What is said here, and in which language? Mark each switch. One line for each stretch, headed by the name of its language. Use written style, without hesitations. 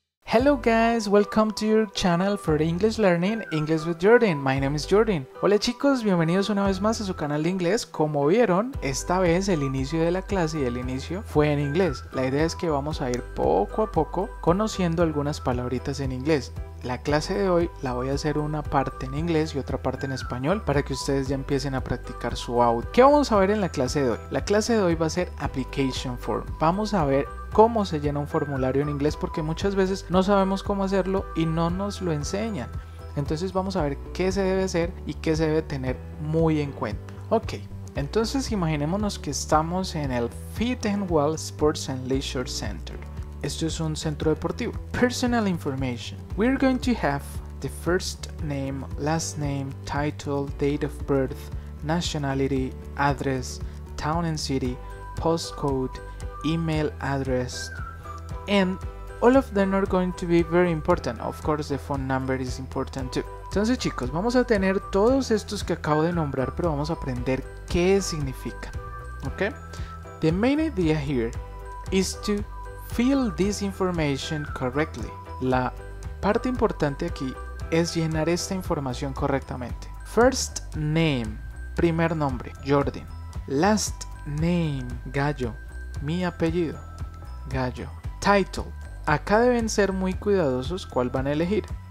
English: Hello guys, welcome to your channel for English Learning, English with Jordan. My name is Jordan.
Spanish: Hola chicos, bienvenidos una vez más a su canal de inglés. Como vieron, esta vez el inicio de la clase y el inicio fue en inglés. La idea es que vamos a ir poco a poco conociendo algunas palabritas en inglés. La clase de hoy la voy a hacer una parte en inglés y otra parte en español para que ustedes ya empiecen a practicar su audio. ¿Qué vamos a ver en la clase de hoy? La clase de hoy va a ser application form. Vamos a ver cómo se llena un formulario en inglés, porque muchas veces no sabemos cómo hacerlo y no nos lo enseñan. Entonces vamos a ver qué se debe hacer y qué se debe tener muy en cuenta. Ok, entonces imaginémonos que estamos en el Fit and Well Sports and Leisure Center. Esto es un centro deportivo.
English: Personal information. We're going to have the first name, last name, title, date of birth, nationality, address, town and city, postcode, email address, and all of them are going to be very important. Of course, the phone number is important too.
Spanish: Entonces chicos, vamos a tener todos estos que acabo de nombrar, pero vamos a aprender qué significa.
English: Okay? The main idea here is to fill this information correctly.
Spanish: La parte importante aquí es llenar esta información correctamente.
English: First name,
Spanish: primer nombre, Jordan.
English: Last name,
Spanish: Gallo. Mi apellido, Gallo. Title, acá deben ser muy cuidadosos cuál van a elegir.